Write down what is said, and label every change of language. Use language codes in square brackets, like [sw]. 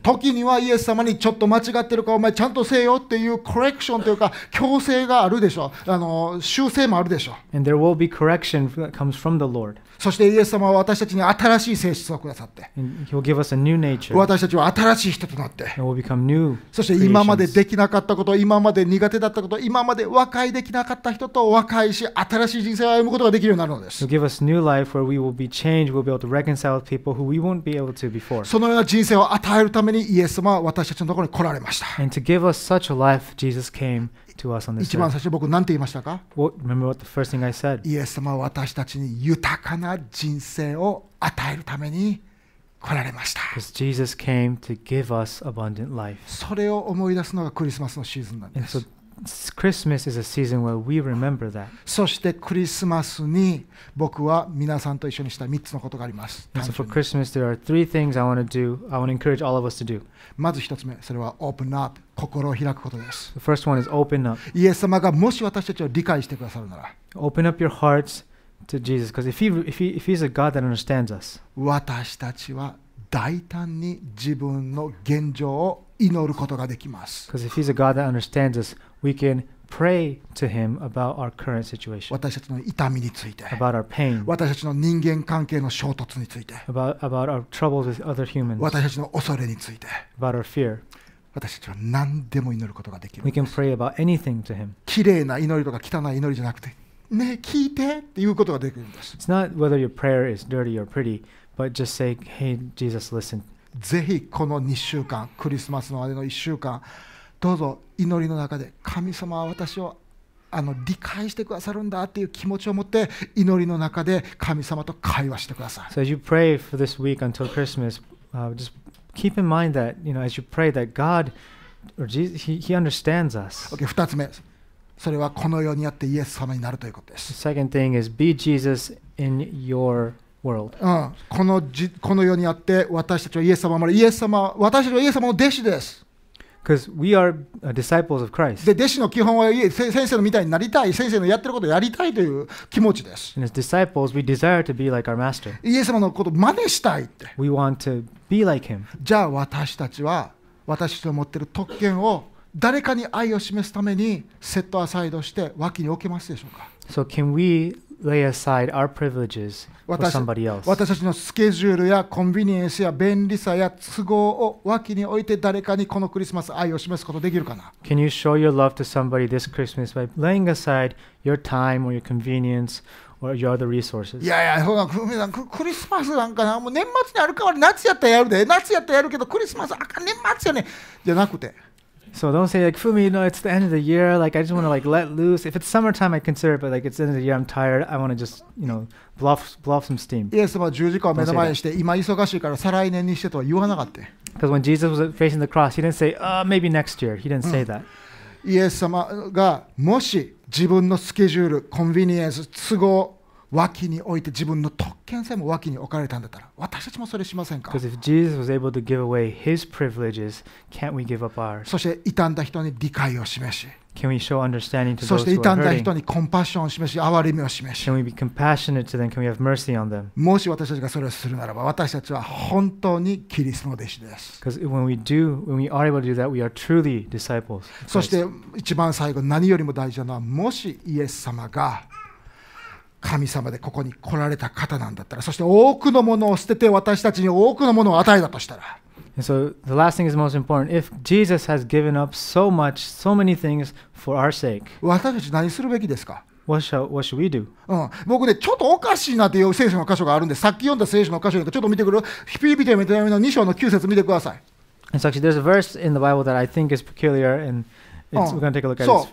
[ja] 時にはイエス様にちょっと間違ってるか、お前ちゃんとせよっていうコレクションというか強制があるでしょう。修正もあるでしょう。 [en] And there will be correction that comes from the Lord. [ja] そしてイエス様は私たちに新しい性質をくださって、 [en] He will give us a new nature. [ja] 私たちは新しい人となって、 [en] And we'll become new creations. [ja] そして今までできなかったこと、今まで苦手だったこと、今まで若いできなかった人と和解し、新しい人生を歩むことができるようになるのです。 [en] He'll give us new life where we will be changed, we'll be able to reconcile with people who we won't be able to before. [ja] そのような人生を与えるためにイエス様は私たちのところに来られました。 [en] And to give us such a life, Jesus came to us on this earth. [ja] 一番最初僕何て言いましたか？ [en] Remember what the first thing I said? [ja] イエス様は私たちに豊かな人生を与えるために来られました。 [en] Because Jesus came to give us abundant life. [ja] それを思い出すのがクリスマスのシーズンなんです。 [en] Christmas is a season where we remember that. [ja] そしてクリスマスに僕は皆さんと一緒にした3つのことがあります。 [en] So for Christmas, there are three things I want to do. I want to encourage all of us to do. [ja] まず1つ目、それは [en] open up、 [ja] 心を開くことです。 [en] The first one is open up. [ja] イエス様がもし私たちを理解してくださるなら、 [en] open up your hearts to Jesus, because if he's a God that understands us, [ja] 私たちは大胆に自分の現状を祈ることができます。 [en] Because if he's a God that understands us, we can pray to him about our current situation. [ja] 私たちの痛みについて。 [en] About our pain. [ja] 私たちの人間関係の衝突について。 [en] About our troubles with other humans. [ja] 私たちの恐れについて。 [en] About our fear. [ja] 私たちは何でも祈ることができる。 [en] We can pray about anything to him. [ja] 綺麗な祈りとか汚い祈りじゃなくて、ねえ聞いてっていうことができるんです。 [en] It's not whether your prayer is dirty or pretty, but just say, "Hey, Jesus, listen." [ja] ぜひこの2週間、クリスマスの間の1週間、どうぞ祈りの中で神様は私を理解してくださるんだっていう気持ちを持って祈りの中で神様と会話してください。 [en] So as you pray for this week until Christmas, just keep in mind that, you know, as you pray that God or Jesus, he understands us. [ja] Okay, 2つ目、それはこの世にあってイエス様になるということです。 [en] The second thing is be Jesus in your world. [ja] この世にあって私たちはイエス様、イエス様、私たちはイエス様の弟子です。 [en] Because we are disciples of Christ. [ja] で、弟子の基本は先生のみたいになりたい、先生のやってることをやりたいという気持ちです。 [en] And as disciples, we desire to be like our master. [ja] イエス様のことを真似したいって。 [en] We want to be like him. [ja] じゃあ私たちは私の持ってる特権を誰かに愛を示すためにセットアサイドして脇に置けますでしょうか。 [en] So can we lay aside our privileges for somebody else? [ja] 私たちのスケジュールやコンビニエンスや便利さや都合を脇に置いて誰かにこのクリスマス愛を示すことできるかな。 [en] Can you show your love to somebody this Christmas by laying aside your time or your convenience or your other resources? [ja] クリスマスなんかな、もう年末にある代わり夏やったらやるで、夏やったらやるけどクリスマスあかん、年末やね、じゃなくて。 [en] So don't say like, Fumi, no, it's the end of the year. Like, I just want to like let loose. If it's summertime, I consider it, but like, it's the end of the year. I'm tired. I want to just, you know, blow some steam. [ja] イエス様十字架を目の前にして、今忙しいから再来年にしてとは言わなかった。 [en] Because when Jesus was facing the cross, he didn't say, maybe next year. He didn't say that. [ja] イエス様がもし自分のスケジュール、コンビニエンス、都合、脇に置いて自分の特権さえも脇に置かれたんだったら私たちもそれしませんか。 [en] Because if Jesus was able to give away his privileges, can't we give up ours? [ja] そして傷んだ人に理解を示し、 [en] Can we show understanding to those who are hurting? [ja] そして傷んだ人にコンパッションを示し、憐れみを示し、 [en] Can we be compassionate to them? Can we have mercy on them? [ja] もし私たちがそれをするならば私たちは本当にキリストの弟子です。 [en] Because when we are able to do that, we are truly disciples. [ja] そして一番最後、何よりも大事なのは、もしイエス様が神様でここに来られた方なんだったら、そして多くのものを捨てて私たちに多くのものを与えたとしたら、 [en] So the last thing is most important. If Jesus has given up so much, so many things for our sake, [ja] 私たち何するべきですか？ [en] What should we do? [ja] 僕ね、ちょっとおかしいなっていう聖書の箇所があるんで、さっき読んだ聖書の箇所にちょっと見てくる。フィリピ人への手紙の2章の9節見てください。 [en] It's actually there's a verse in the Bible that I think is peculiar and It's, we're going to take a look at